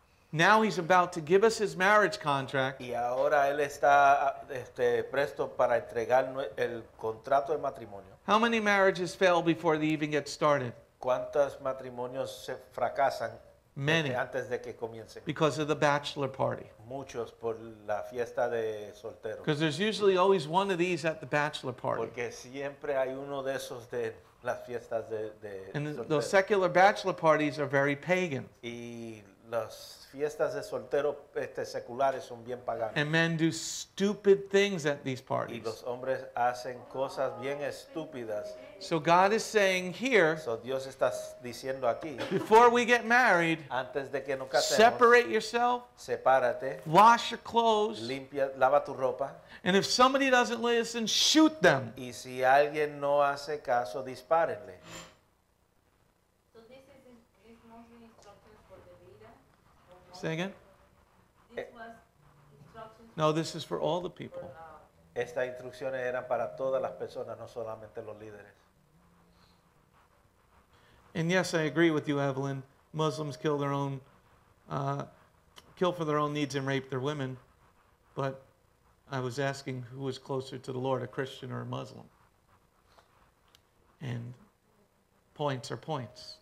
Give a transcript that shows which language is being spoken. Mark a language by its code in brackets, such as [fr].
[en] Now he's about to give us his marriage contract. [es] Y ahora él está presto para entregar el contrato de matrimonio. [en] How many marriages fail before they even get started? [es] ¿Cuántos matrimonios se fracasan? [en] Many. [es] Antes de que comiencen. [en] Because of the bachelor party. [es] Muchos por la fiesta de solteros. [en] Because there's usually always one of these at the bachelor party. [es] Porque siempre hay uno de esos de las fiestas de solteros. [en] And those secular bachelor parties are very pagan. [es] Y las fiestas de solteros seculares son bien paganas. [en] And men do stupid things at these parties. [es] Y los hombres hacen cosas bien estúpidas. [en] So God is saying here, [es] so Dios está diciendo aquí, [en] before we get married, [es] antes de que nos casemos, [en] separate yourself, [es] sepárate, [en] wash your clothes, [es] limpia, lava tu ropa, [en] and if somebody doesn't listen, shoot them. [es] Y si alguien no hace caso, dispárenle. [en] Say again? No, this is for all the people. [es] Estas instrucciones eran para todas las personas, no solamente los líderes. [en] And yes, I agree with you, Evelyn. Muslims kill for their own needs and rape their women. But I was asking who is closer to the Lord, a Christian or a Muslim? And points are points.